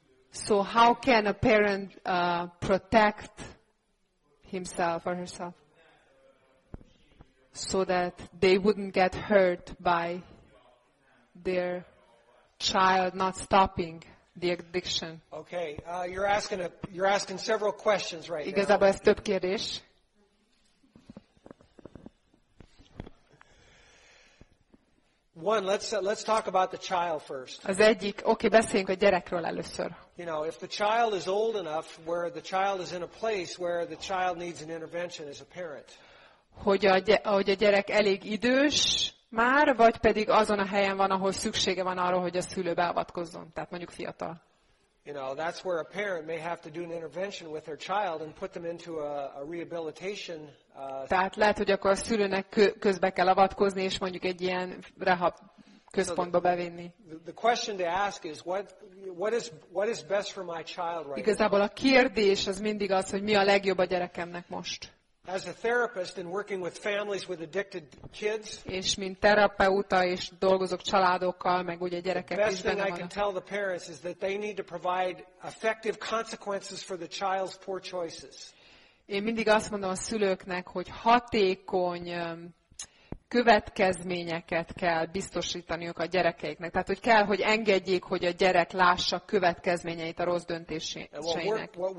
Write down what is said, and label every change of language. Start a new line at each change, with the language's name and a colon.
English: So how can a parent protect himself or herself? So that they wouldn't get hurt by their child not stopping the addiction. Okay, you're asking several questions right now.
Hungarian: Igazából ez több kérdés.
English: One, let's talk about the child first.
Hungarian: Az egyik, okay, beszéljünk a gyerekről először.
English: You know, if the child is old enough where the child is in a place where the child needs an intervention as a parent.
Hungarian: Hogy a gyerek elég idős már, vagy pedig azon a helyen van, ahol szüksége van arra, hogy a szülő beavatkozzon, tehát mondjuk fiatal.
English: You know, that's where a parent may have to do an intervention with their child and put them into a rehabilitation.
Hungarian: Tehát lehet, hogy akkor a szülőnek közbe kell avatkozni, és mondjuk egy ilyen rehab központba bevinni.
English: The question to ask is what is best for my child right.
Hungarian: Igazából a kérdés az mindig az, hogy mi a legjobb a gyerekemnek most.
English: As a therapist and working with families with addicted kids.
Hungarian: És mint terapeuta és dolgozok családokkal, meg ugye gyerekek is benne van.
English: The best thing I can tell the parents is that they need to provide effective consequences for the child's poor choices.
Hungarian: Én mindig azt mondom a szülőknek, hogy hatékony következményeket kell biztosítaniuk a gyerekeiknek. Tehát, hogy kell, hogy engedjék, hogy a gyerek lássa következményeit a rossz döntéseinek.